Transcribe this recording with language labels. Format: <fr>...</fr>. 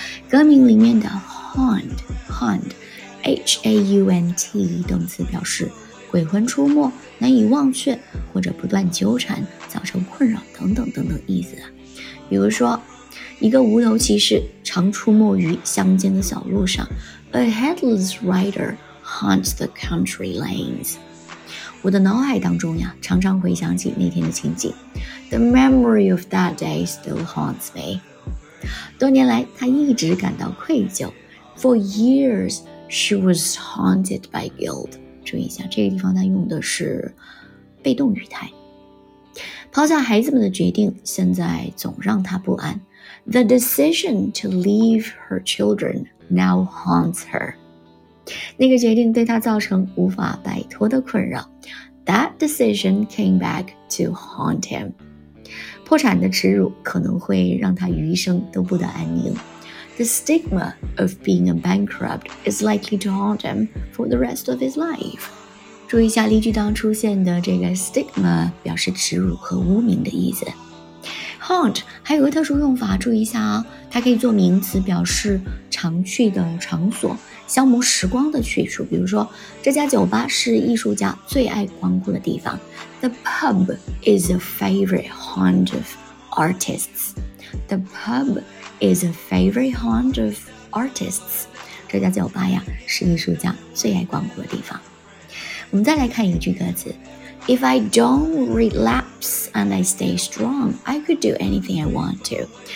<zh>歌名里面的 Haunt H-A-U-N-T 动词表示鬼魂出没，难以忘却，或者不断纠缠，造成困扰等等等等意思。比如说一个无头骑士常出没于乡间的小路上，</zh> <en>A headless riderHaunt the country lanes.</en> <zh>我的脑海当中呀，常常回想起那天的情景。</zh> <en>The memory of that day still haunts me.</en> <zh>多年来，她一直感到愧疚。</zh> <en>For years, she was haunted by guilt.</en> <zh>注意一下，这个地方她用的是被动语态。抛下孩子们的决定，现在总让她不安。</zh> <en>The decision to leave her children now haunts her.</en> <zh>那个决定对他造成无法摆脱的困扰。</zh> <en>That decision came back to haunt him.</en> <zh>破产的耻辱可能会让他余生都不得安宁。</zh> <en>The stigma of being a bankrupt is likely to haunt him for the rest of his life.</en> <zh>注意一下例句当出现的这个 stigma 表示耻辱和污名的意思。 Haunt 还有个特殊用法，注意一下啊，它可以做名词表示常去的场所，消磨时光的去处。比如说这家酒吧是艺术家最爱光顾的地方。</zh> <en>The pub is a favorite haunt of artists. The pub is a favorite haunt of</en> <zh>artists， 这家酒吧呀是艺术家最爱光顾的地方。我们再来看一句歌词，</zh> <en>If I don't relapse and I stay strong, I could do anything I want to。</en>